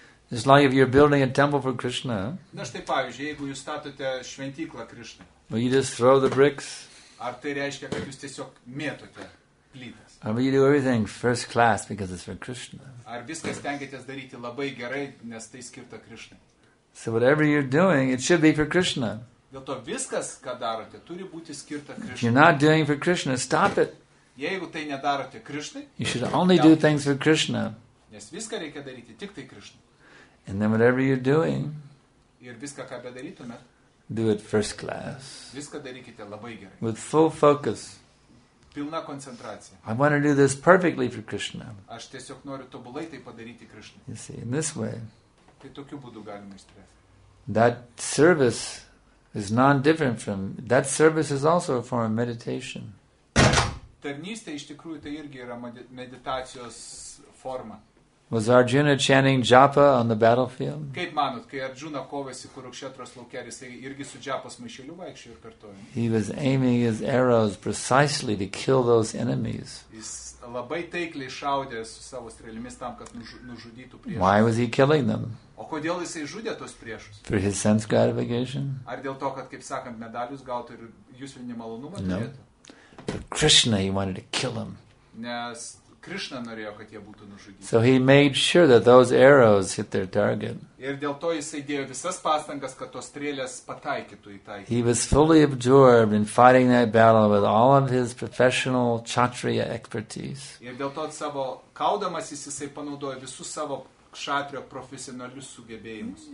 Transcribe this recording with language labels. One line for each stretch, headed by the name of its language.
English: It's like if you're building a temple for Krishna.
Lithuanian: Na štai pavyzdžiui, jeigu jūs statote šventyklą Krishna.
English: Will you just throw the bricks?
Lithuanian: Ar tai reiškia, kad jūs tiesiog mėtote plytas?
English: Or will you do everything first class because it's for Krishna?
Lithuanian: Ar viską stengiatės daryti labai gerai, nes tai skirta Krishna?
English: So whatever you're doing, it should be for Krishna.
Lithuanian: Dėl to viskas, ką darote, turi būti skirta Krishna.
English: If you're not doing for Krishna, stop it.
Lithuanian: Jeigu tai nedarote Krishna,
English: you should only do things for Krishna.
Lithuanian: Nes viską reikia daryti tik tai Krishna.
English: And then whatever you're doing,
Lithuanian: ir viską, ką bedarytume,
English: do it first class.
Lithuanian: Viską darykite labai gerai.
English: With full focus.
Lithuanian: Pilna koncentracija.
English: I want to do this perfectly for Krishna.
Lithuanian: Aš tiesiog noriu tobulai tai padaryti Krishna.
English: You see, in this way,
Lithuanian: tai tokiu būdu galima išspręsti.
English: That service is non-different from, that service is also a form of meditation.
Lithuanian: Tarnystė iš tikrųjų tai irgi yra meditacijos forma.
English: Was Arjuna chanting japa on the battlefield?
Lithuanian: Kaip manot, kai Arjuna kovėsi Kurukshetros lauke, jisai irgi su japos maišeliu vaikščiojo ir kartojo.
English: He was aiming his arrows precisely to kill those enemies.
Lithuanian: Jis labai taikliai šaudė su savo strėlėmis tam, kad nužudytų priešus.
English: Why was he killing them?
Lithuanian: O kodėl jisai žudė tos priešus?
English: For his sense gratification?
Lithuanian: Ar dėl to, kad, kaip sakant, medalius gautų ir juslinį malonumą turėtų?
English: No. But Krishna, he wanted to kill them.
Lithuanian: Nes Krishna norėjo, kad jie būtų nužudyti.
English: So he made sure that those arrows hit their target.
Lithuanian: Ir dėl to jisai dėjo visas pastangas, kad tos strėlės pataikytų į taikinį.
English: He was fully absorbed in fighting that battle with all of his professional kshatriya expertise.
Lithuanian: Ir dėl to savo kaudamas jisai panaudojo visus savo kshatrio profesionalius sugebėjimus.